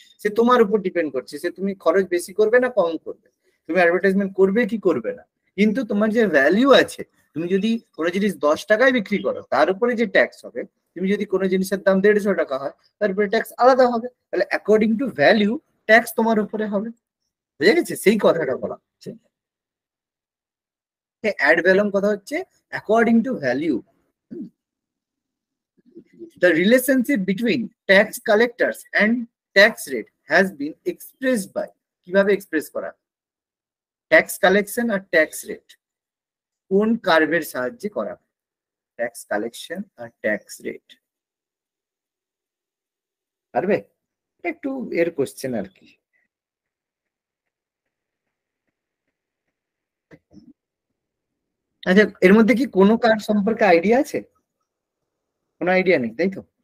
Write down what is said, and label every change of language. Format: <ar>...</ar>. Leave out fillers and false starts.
<bn>সে তোমার উপর ডিপেন্ড করছে, সে তুমি খরচ বেশি করবে না কম করবে, তুমি অ্যাডভার্টাইজমেন্ট করবে কি করবে না, কিন্তু তোমার যে ভ্যালিউ আছে, তুমি যদি কোনো জিনিস 10 টাকায় বিক্রি করো তার উপরে যে ট্যাক্স হবে, তুমি যদি কোনো জিনিসের দাম 150 টাকা হয় তার উপরে ট্যাক্স আলাদা হবে, তাহলে</bn> <en>according to value</en> <bn>ট্যাক্স তোমার উপরে হবে, বুঝে গেছে? সেই কথাটা বলা হচ্ছে, অ্যাড ভ্যালাম কথা হচ্ছে</bn> <en>According to value. The relationship between tax collectors and tax rate has been expressed by,</en> <bn>কিভাবে এক্সপ্রেস করা,</bn> <en>tax collection আর tax rate</en> <bn>কোন কার্ভের সাহায্যে করা, tax collection আর tax rate পারবে একটু এর কোশ্চেন আর কি আচ্ছা এর মধ্যে কি কোনো কার্ড সম্পর্কে আইডিয়া আছে কোনো আইডিয়া নেই তাই তো</bn>